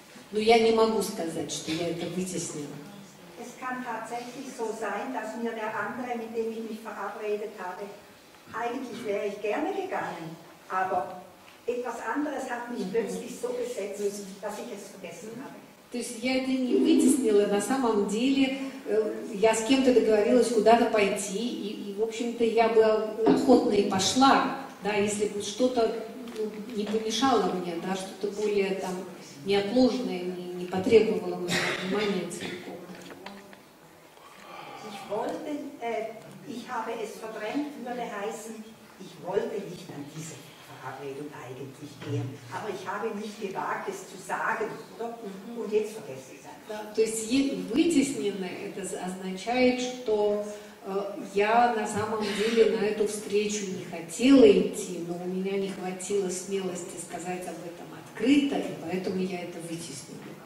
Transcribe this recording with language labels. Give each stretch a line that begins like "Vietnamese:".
Russian: Но я не могу сказать, что я это вытеснила.
German: Es kann tatsächlich so sein, dass mir der andere, mit dem ich mich verabredet habe, eigentlich wäre ich gerne gegangen, aber etwas anderes hat mich plötzlich so besetzt, dass ich es vergessen habe.
Russian: То есть я это не вытеснила, на самом деле я с кем-то договорилась куда-то пойти, и в общем-то я бы охотно и пошла, да, если бы что-то не помешало мне, да, что-то более там неотложное не потребовало моего внимания целиком.
German: Ich wollte, ich habe es verdrängt, würde heißen, ich wollte nicht an diese Verabredung eigentlich gehen, aber ich habe nicht gewagt, es zu sagen, oder? Und jetzt vergesse ich es.
Russian: Да, то есть вытесненное, это означает, что я на самом деле на эту встречу не хотела идти, но у меня не хватило смелости сказать об этом открыто, и поэтому я это вытеснила.